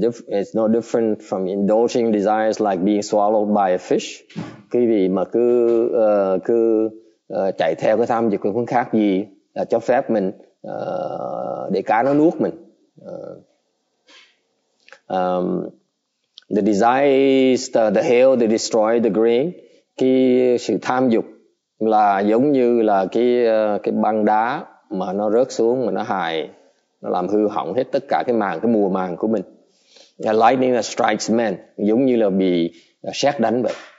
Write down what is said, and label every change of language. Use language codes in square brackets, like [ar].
[en] It's no different from indulging desires like being swallowed by a fish. [vi] Quý vị mà cứ chạy theo cái tham dục cũng khác gì là cho phép mình để cá nó nuốt mình. [en] The desires, the hail, they destroy the grain. [vi] Cái sự tham dục là giống như là cái băng đá mà nó rớt xuống mà nó hại. Nó làm hư hỏng hết tất cả cái màng, cái mùa màng của mình. [en] The lightning that strikes men, [vi] giống như là bị sét đánh vậy.